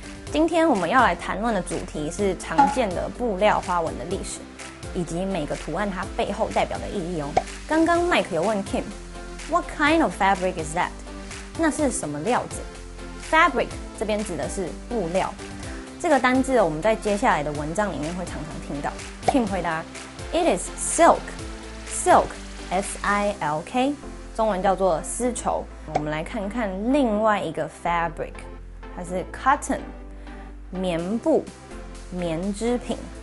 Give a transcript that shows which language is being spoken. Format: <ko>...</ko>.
<zh>今天我们要来谈论的主题是常见的布料花纹的历史，以及每个图案它背后代表的意义哦。刚刚 Mike 有问 Kim,</zh> <en>What kind of fabric is that?</en> <zh>那是什么料子 ？Fabric 这边指的是布料。这个单字我们在接下来的文章里面会常常听到。</zh> <en>Kim 回答 ：“It is silk. Silk, S-I-L-K，</en> <zh>中文叫做丝绸。我们来看看另外一个 fabric， 它是 cotton， 棉布，棉织品。</zh>